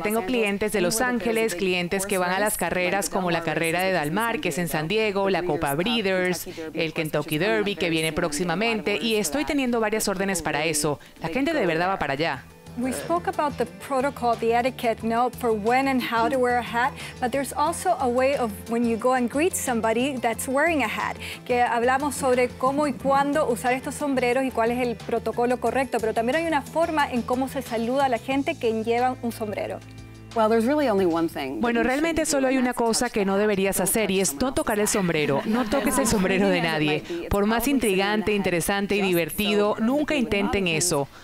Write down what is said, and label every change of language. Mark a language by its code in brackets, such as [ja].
[es] Tengo clientes de Los Ángeles, clientes que van a las carreras como la carrera de Del Mar, que es en San Diego, la Copa Breeders, el Kentucky Derby, que viene próximamente, y estoy teniendo varias órdenes para eso. La gente de verdad va para allá. [en] We spoke about the protocol, the etiquette, you know, for when and how to wear a hat, but there's also a way of when you go and greet somebody that's wearing a hat. [es] Que hablamos sobre cómo y cuándo usar estos sombreros y cuál es el protocolo correcto, pero también hay una forma en cómo se saluda a la gente que lleva un sombrero. [en] Well, there's really only one thing. [es] Bueno, realmente solo hay una cosa que no deberías hacer y es no tocar el sombrero. No toques el sombrero de nadie. Por más intrigante, interesante y divertido, nunca intenten eso.